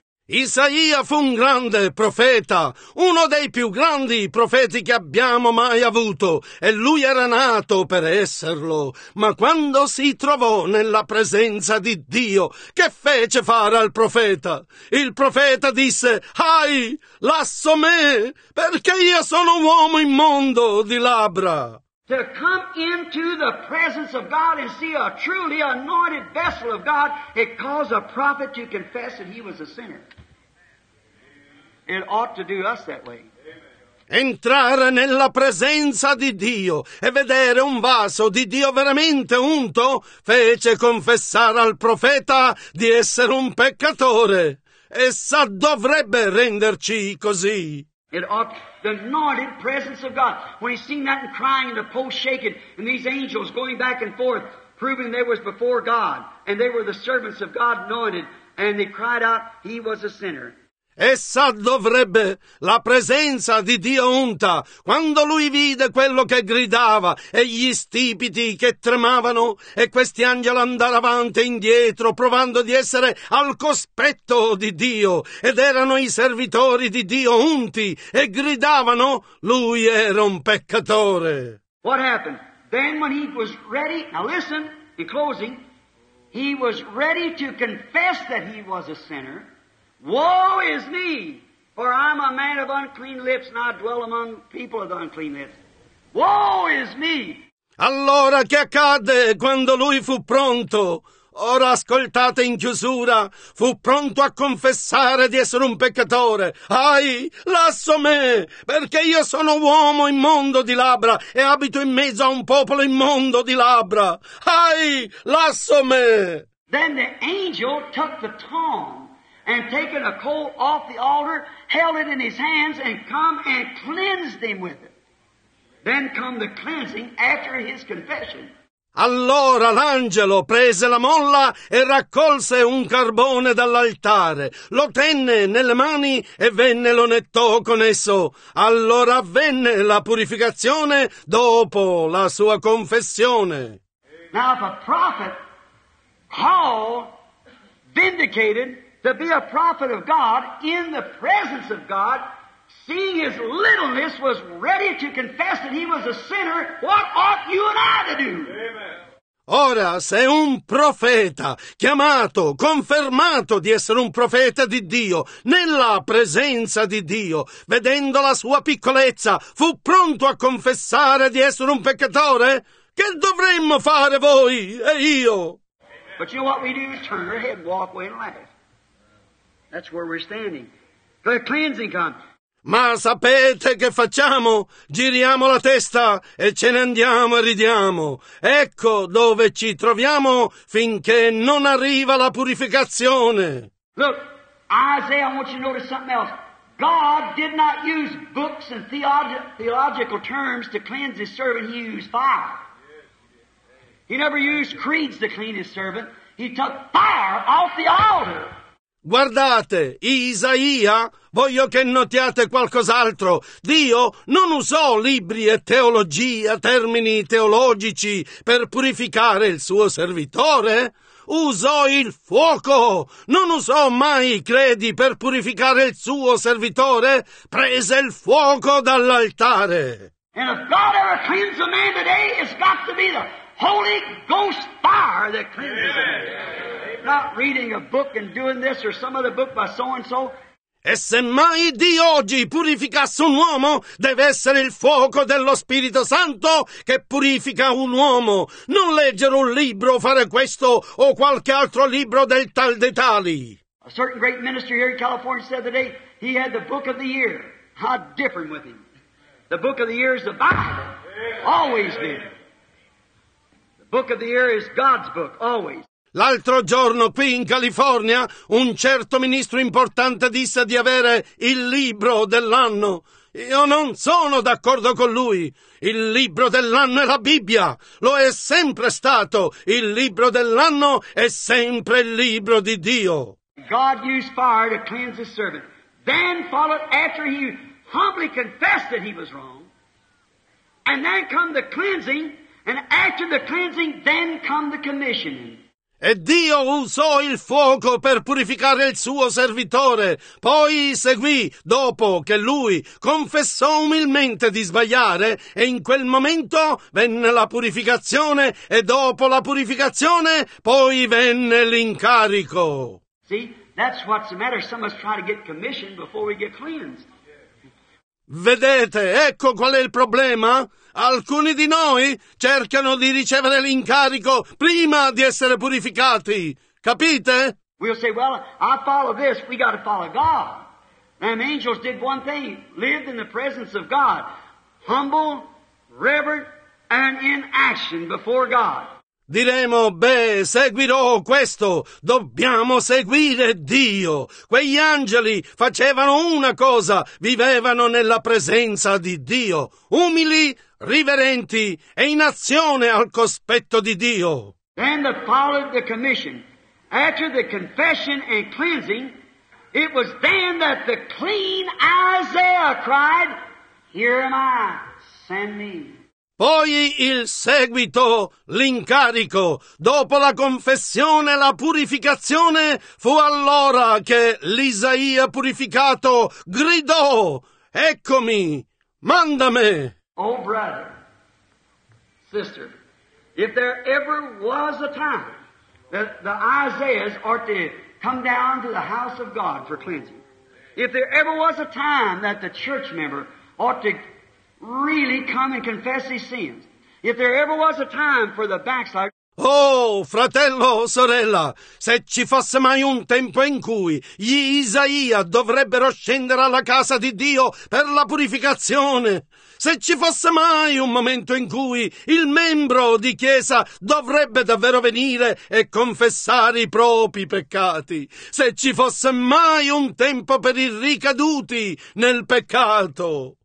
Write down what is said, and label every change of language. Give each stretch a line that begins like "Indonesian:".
Italian: Isaia fu un grande profeta, uno dei più grandi profeti che abbiamo mai avuto, e lui era nato per esserlo. Ma quando si trovò nella presenza di Dio, che fece fare al profeta? Il profeta disse, ahi, lasso me, perché io sono un uomo immondo di labbra.
English: To come into the presence of God and see a truly anointed vessel of God, it caused a prophet to confess that he was a sinner. It ought to do us that way.
Italian: Entrare nella presenza di Dio e vedere un vaso di Dio veramente unto fece confessare al profeta di essere un peccatore. Essa dovrebbe renderci così.
English: It ought, the anointed presence of God, when he seen that and crying and the post shaking and these angels going back and forth proving they was before God and they were the servants of God anointed and they cried out, he was a sinner.
Italian: Essa dovrebbe, la presenza di Dio unta, quando lui vide quello che gridava e gli stipiti che tremavano e questi angeli andare avanti e indietro provando di essere al cospetto di Dio ed erano i servitori di Dio unti e gridavano, lui era un peccatore.
English: What happened? Then when he was ready, now listen, in closing, he was ready to confess that he was a sinner. Woe is me, for I'm a man of unclean lips, and I dwell among people of unclean lips. Woe is me!
Italian: Allora che accadde quando lui fu pronto? Ora ascoltate in chiusura, fu pronto a confessare di essere un peccatore. Ahi, lasso me, perché io sono uomo immondo di labbra e abito in mezzo a un popolo immondo di labbra. Ahi, lasso me!
English: Then the angel took the tongs. And taken a coal off the altar, held it in his hands, and come and cleansed him with it. Then come the cleansing after his confession.
Italian: Allora l'angelo prese la molla e raccolse un carbone dall'altare, lo tenne nelle mani e venne lo nettò con esso. Allora avvenne la purificazione dopo la sua confessione.
English: Now if a prophet called vindicated to be a prophet of God in the presence of God, seeing his littleness, was ready to confess that he was a sinner, what ought you and I to do? Amen.
Italian: Ora, se un profeta, chiamato, confermato di essere un profeta di Dio, nella presenza di Dio, vedendo la sua piccolezza, fu pronto a confessare di essere un peccatore, che dovremmo fare voi e io? Amen.
English: But you know what we do is turn our head and walk away and laugh. That's where we're standing. The cleansing comes.
Italian: Ma sapete che facciamo? Giriamo la testa e ce ne andiamo e ridiamo. Ecco dove ci troviamo finché non arriva la purificazione.
English: Look, Isaiah, I want you to notice something else. God did not use books and theological terms to cleanse his servant. He used fire. He never used creeds to clean his servant. He took fire off the altar.
Italian: Guardate, Isaia, voglio che notiate qualcos'altro. Dio non usò libri e teologia, termini teologici, per purificare il suo servitore. Usò il fuoco. Non usò mai credi per purificare il suo servitore. Prese il fuoco dall'altare.
English: And if God ever cleans a man today, it's got to be the Holy Ghost fire that cleanses him. Not reading a book and doing this or some other book by so-and-so.
Italian: E se mai Dio oggi purificasse un uomo, deve essere il fuoco dello Spirito Santo che purifica un uomo. Non leggere un libro, fare questo o qualche altro libro del tal dei tali.
English: A certain great minister here in California said today he had the book of the year. How different with him. The book of the year is the Bible. Always been. The book of the year is God's book. Always.
Italian: L'altro giorno qui in California un certo ministro importante disse di avere il libro dell'anno. Io non sono d'accordo con lui. Il libro dell'anno è la Bibbia. Lo è sempre stato. Il libro dell'anno è sempre il libro di Dio.
English: God used fire to cleanse his servant. Then followed after he humbly confessed that he was wrong. And then come the cleansing. And after the cleansing, then come the commissioning.
Italian: E Dio usò il fuoco per purificare il suo servitore. Poi seguì, dopo che lui confessò umilmente di sbagliare, e in quel momento venne la purificazione, e dopo la purificazione, poi venne l'incarico.
English: See, that's what's the matter. Some of us try to get commissioned before we get cleansed.
Italian: Vedete, ecco qual è il problema. Alcuni di noi cercano di ricevere l'incarico prima di essere purificati. Capite?
English: We'll say, well, I follow this. We got to follow God. And the angels did one thing, lived in the presence of God, humble, reverent, and in action before God.
Italian: Diremo, beh, seguirò questo, dobbiamo seguire Dio. Quegli angeli facevano una cosa, vivevano nella presenza di Dio, umili, riverenti e in azione al cospetto di Dio.
English: Then they followed the commission. After the confession and cleansing, it was then that the clean Isaiah cried, "Here am I, send me."
Italian: Poi il seguito, l'incarico, dopo la confessione, la purificazione, fu allora che l'Isaia purificato gridò, "Eccomi, mandami!"
English: Oh, brother, sister, if there ever was a time that the Isaiahs are to come down to the house of God for cleansing, if there ever was a time that the church member ought to really come and confess his sins, if there ever was a time for the backslider.
Italian: Oh, fratello, sorella, se ci fosse mai un tempo in cui gli Isaia dovrebbero scendere alla casa di Dio per la purificazione, se ci fosse mai un momento in cui il membro di chiesa dovrebbe davvero venire e confessare i propri peccati, se ci fosse mai un tempo per i ricaduti nel peccato.